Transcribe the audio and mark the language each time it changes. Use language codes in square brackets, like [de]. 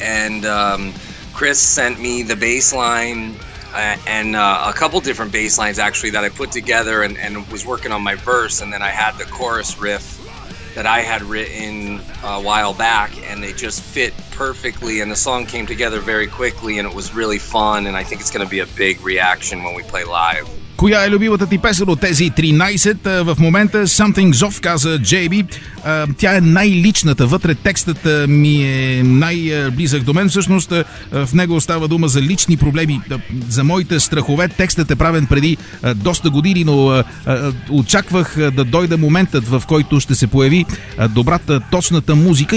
[en] And Chris sent me the bass line and a couple different bass lines actually that I put together and was working on my verse, and then I had the chorus riff that I had written a while back, and they just fit perfectly, and the song came together very quickly, and it was really fun, and I think it's going to be a big reaction when we play live. [bg] Коя е любимата ти песен от тези 13? В момента Something's Off, каза JB. Тя е най-личната. Вътре текстът ми е най-близък до мен. Всъщност в него става дума за лични проблеми, за моите страхове. Текстът е правен преди доста години, но очаквах да дойде моментът, в който ще се появи добрата, точната музика.